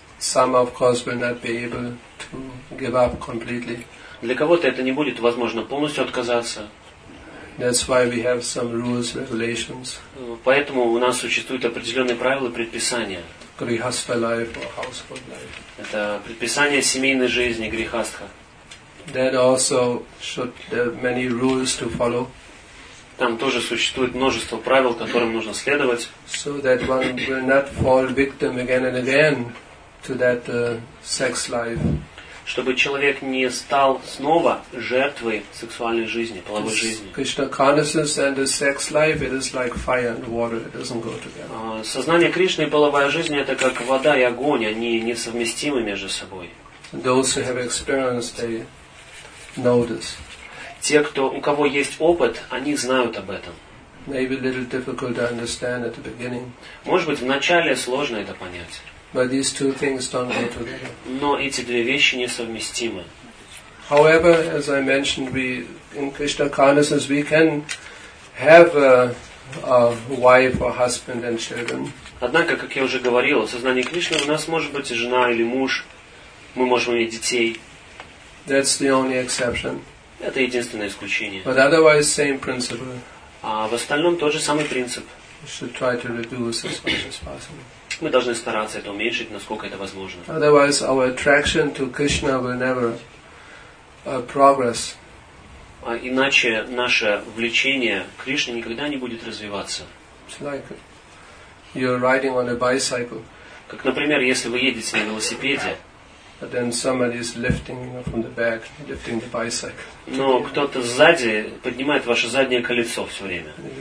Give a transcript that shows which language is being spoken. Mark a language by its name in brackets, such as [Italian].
[English] Some, of course, will not be able to give up completely. [Russian] Для кого-то это не будет возможно полностью отказаться. [English] That's why we have some rules, regulations. [Russian] Поэтому у нас существуют определенные правила и предписания. [English] Grihastha life or household life. [Russian] Это предписание семейной жизни, грихастха. [English] That also should have many rules to follow. [Russian] Там тоже существует множество правил, которым нужно следовать. [English] So that one will not fall victim again and again to that sex life. [Russian] Чтобы человек не стал снова жертвой сексуальной жизни, половой жизни. [English] Krishna consciousness and the sex life, it is like fire and water, it doesn't go together. [Russian] Сознание Кришны и половая жизнь – это как вода и огонь, они несовместимы между собой. [English] Those who have experience, they know this. [Russian] Те, у кого есть опыт, они знают об этом. [English] Maybe a little difficult to understand at the beginning. [Russian] Может быть, вначале сложно это понять. [English] But these two things don't go together. [Russian] Но эти две вещи несовместимы. [English] However, as I mentioned, we in Krishna consciousness we can have a wife or husband and children. [Russian] Однако, как я уже говорил, в сознании Кришны у нас может быть жена или муж, мы можем иметь детей. [English] That's the only exception. [Russian] Это единственное исключение. [English] But otherwise, same principle. [Russian] А в остальном тот же самый принцип. [English] We should try to reduce as much as possible. [Russian] Мы должны стараться это уменьшить, насколько это возможно. [English] Otherwise, our attraction to Krishna will never progress. [Russian] А иначе наше влечение к Кришне никогда не будет развиваться. [English] It's like you're riding on a bicycle. [Russian] Как, например, если вы едете на велосипеде. [English] But then somebody is lifting, you know, from the back, lifting the bicycle. [Russian] Но кто-то сзади поднимает ваше заднее колесо все время.